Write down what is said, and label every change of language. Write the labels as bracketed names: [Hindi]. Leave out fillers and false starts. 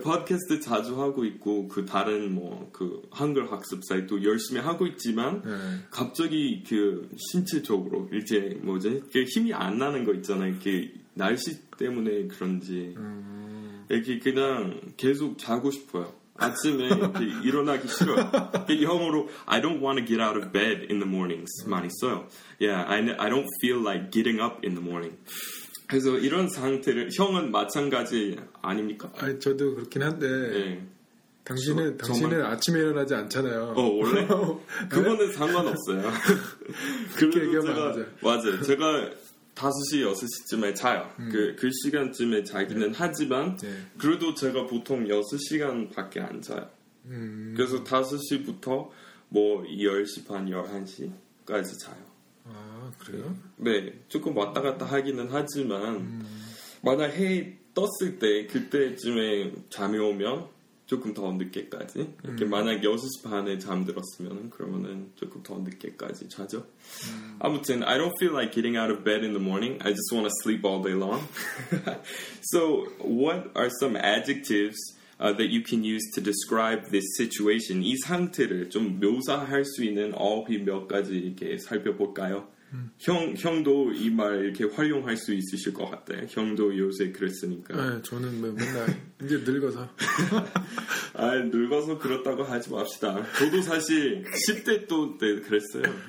[Korean] 팟캐스트 자주 하고 있고 그 다른 뭐 그 한글 학습 사이트도 열심히 하고 있지만 네. 갑자기 그 신체적으로 이제 뭐지 그 힘이 안 나는 거 있잖아요. 이렇게 날씨 때문에 그런지 이렇게 그냥 계속 자고 싶어요. 아침에 이렇게 일어나기 싫어. 영어로 [English] I don't want to get out of bed in the mornings [Korean] 많이 써요. [English] Yeah, I don't feel like getting up in the morning. [Korean] 그래서 이런 상태를 형은 마찬가지 아닙니까? 아니, 저도 그렇긴 한데 네. 당신은 정말... 아침에 일어나지 않잖아요. 어, 원래 그거는 상관없어요. 그렇게 얘기하면 제가, 맞아요. 제가 5시, 6시쯤에 자요. 그 시간쯤에 자기는 네. 하지만 네. 그래도 제가 보통 6시간밖에 안 자요. 그래서 5시부터 뭐 10시 반, 11시까지 자요. 그래요? 네, 조금 왔다 갔다 하기는 하지만 만약 해 떴을 때 그때쯤에 잠이 오면 조금 더 늦게까지 이렇게 만약 6시 반에 잠들었으면 그러면은 조금 더 늦게까지 자죠. 아무튼 [English] I don't feel like getting out of bed in the morning. I just want to sleep all day long. So what are some adjectives that you can use to describe this situation? [Korean] 이 상태를 좀 묘사할 수 있는 어휘 몇 가지 이렇게 살펴볼까요? 형도 이 말 이렇게 활용할 수 있으실 것 같아요. 형도 요새 그랬으니까. 네, 저는 뭐 맨날 이제 늙어서. 아, 늙어서 그렇다고 하지 맙시다. 저도 사실 10대 때 그랬어요.